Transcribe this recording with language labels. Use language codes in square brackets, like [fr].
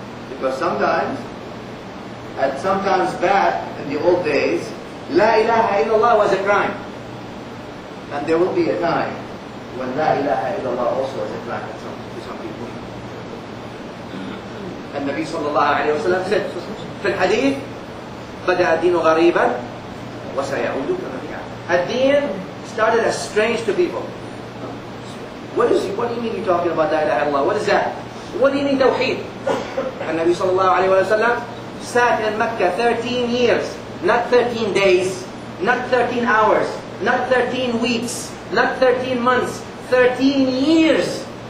[en] Because sometimes, at some times bad in the old days, لا إله إلا الله was a crime. And there will be a time when لا إله إلا الله also was a crime to some people. [ar] And Nabi صلى الله عليه وسلم said, في الحديث, بدأ الدين غريبا وسيعود كما جاء. [en] الدين started as strange to people. What do you mean you're talking about la ilaha illallah? What is that? What do you mean tawheed? And Nabi sallallahu alayhi wa sallam sat in Mecca 13 years, not 13 days, not 13 hours, not 13 weeks, not 13 months, 13 years.